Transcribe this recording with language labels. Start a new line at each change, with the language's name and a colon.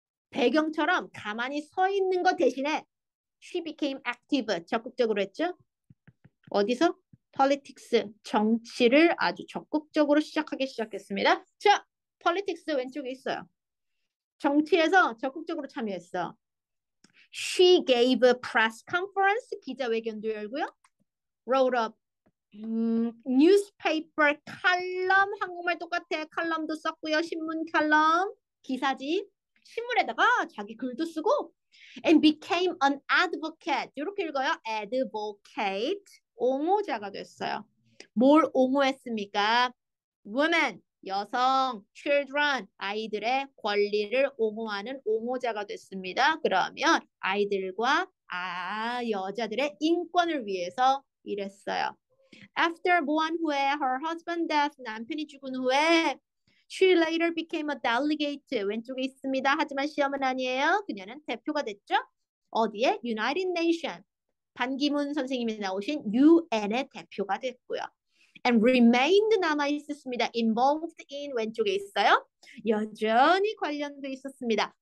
Korean: 배경처럼 가만히 서 있는 것 대신에
English: she became active,
Korean: 적극적으로 했죠? 어디서? politics, 정치를 아주 적극적으로 시작하기 시작했습니다. 자, politics 왼쪽에 있어요. 정치에서 적극적으로 참여했어.
English: She gave a press conference,
Korean: 기자회견도 열고요.
English: Wrote a newspaper column,
Korean: 한국말 똑같아. 칼럼도 썼고요. 신문 칼럼, 기사지. 신문에다가 자기 글도 쓰고
English: and became an advocate
Korean: 이렇게 읽어요. advocate 옹호자가 됐어요. 뭘 옹호했습니까? women 여성 children 아이들의 권리를 옹호하는 옹호자가 됐습니다. 그러면 아이들과 아 여자들의 인권을 위해서 일했어요.
English: after
Korean: 모한 후에
English: her husband death
Korean: 남편이 죽은 후에
English: She later became a delegate.
Korean: 왼쪽에 있습니다. 하지만 시험은 아니에요. 그녀는 대표가 됐죠. 어디에? United Nations. 반기문 선생님이 나오신 UN의 대표가 됐고요.
English: And remained
Korean: 남아 있었습니다.
English: Involved in
Korean: 왼쪽에 있어요. 여전히 관련돼 있었습니다.